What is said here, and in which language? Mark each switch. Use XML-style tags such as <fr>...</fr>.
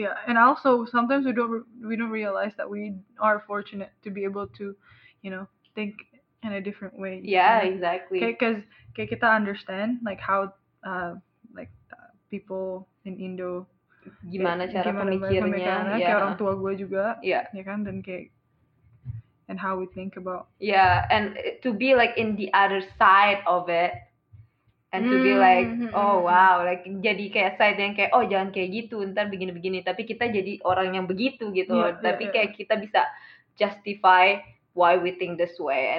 <en>And also sometimes we don't realize that we are fortunate to be able to, you know, think in a different way. Yeah, exactly.</en> <id>Kayak kita</id> <en>understand like how people in Indo</en> <id>gimana cara pemikirannya, kayak orang tua gue juga, ya kan, dan kayak.</id> <en>And how we think about. Yeah, and to be like in the other side of it. And to be like, oh wow. Like</en> <id>jadi kayak side yang kayak, oh jangan kayak gitu, ntar begini-begini. Tapi kita jadi orang yang begitu gitu. Tapi kayak kita bisa</id> <en>justify why we think this way.</en>